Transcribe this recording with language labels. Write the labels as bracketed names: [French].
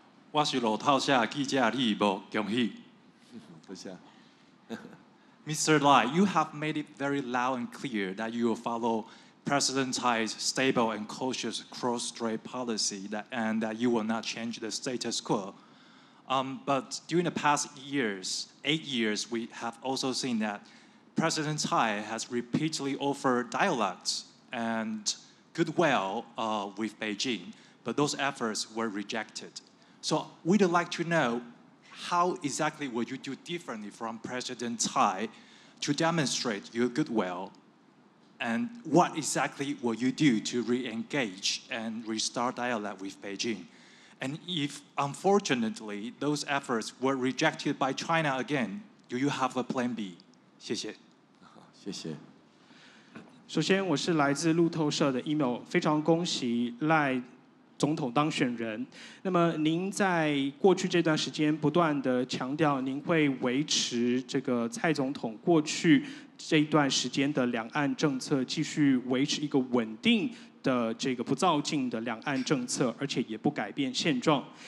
[Chinese] 我是路透社记者李博，恭喜。不谢。 [English] Mr. Lai, you have made it very loud and clear that you will follow President Tsai's stable and cautious cross-strait policy and that you will not change the status quo. But during the past years, 8 years, we have also seen that President Tsai has repeatedly offered dialogues and goodwill with Beijing, but those efforts were rejected. So we'd like to know, how exactly would you do differently from President Tsai to demonstrate your goodwill? And what exactly will you do to re-engage and restart dialogue with Beijing? And if, unfortunately, those efforts were rejected by China again, do you have a plan B? [Chinese] 谢谢。谢谢。首先，我是来自路透社的 email， 非常恭喜赖总统当选人。那么，您在过去这段时间不断的强调，您会维持这个蔡总统过去这一段时间的两岸政策，继续维持一个稳定的这个不躁进的两岸政策，而且也不改变现状。